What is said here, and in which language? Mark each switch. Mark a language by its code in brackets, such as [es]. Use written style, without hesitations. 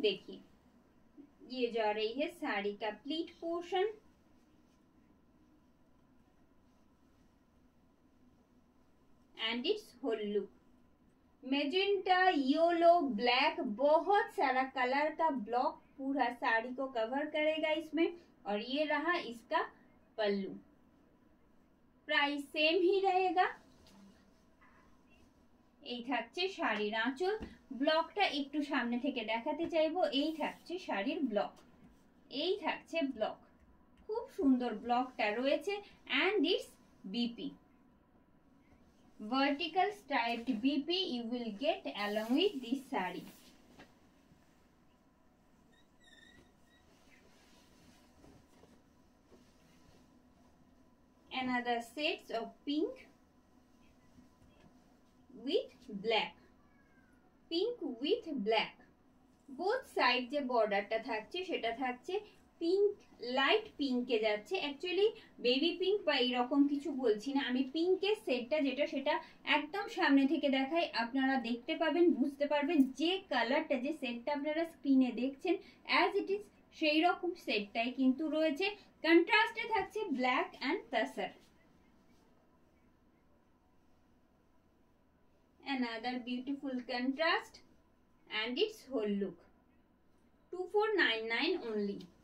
[hi] देखिए ये जा रही है साड़ी का pleat portion, [en] and its whole look magenta yellow black, [hi] बहुत सारा कलर का ब्लॉक पूरा साड़ी को कवर करेगा इसमें। और ये रहा इसका पल्लू, प्राइस सेम ही रहेगा। [bn] এই থাকছে শাড়ির আঁচল, ব্লকটা একটু সামনে থেকে দেখাতে চাইবো। এই থাকছে শাড়ির ব্লক, এই থাকছে ব্লক, খুব সুন্দর ব্লকটা রয়েছে। [en] And it's BP, vertical striped BP you will get along with this sari. Another sets of pink with black, pink with black, both sides [bn] যে বর্ডারটা থাকছে সেটা থাকছে pink, light pink এ যাচ্ছে। actually baby pink বা এরকম কিছু বলছি না, আমি pink এর সেটটা যেটা সেটা একদম সামনে থেকে দেখাই, আপনারা দেখতে পাবেন বুঝতে পারবেন যে কালারটা যে সেটটা আপনারা স্ক্রিনে দেখছেন [en] as it is [bn] সেই রকম সেটটাই কিন্তু রয়েছে। কন্ট্রাস্টে থাকছে black and tussar। [en] Another beautiful contrast and its whole look. 2499 only.